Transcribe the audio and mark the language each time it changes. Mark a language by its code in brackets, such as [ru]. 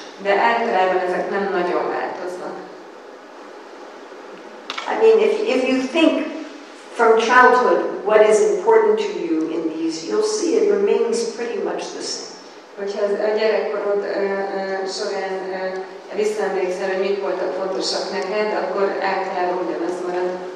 [hu] De általában ezek nem nagyon változnak. [en] I mean, if you think from childhood what is important to you, you'll see it remains pretty much the same. [hu] Hogyha a gyerekkorod során visszaemlékszel, hogy mit voltak fontosak neked, akkor általában ugyanaz marad.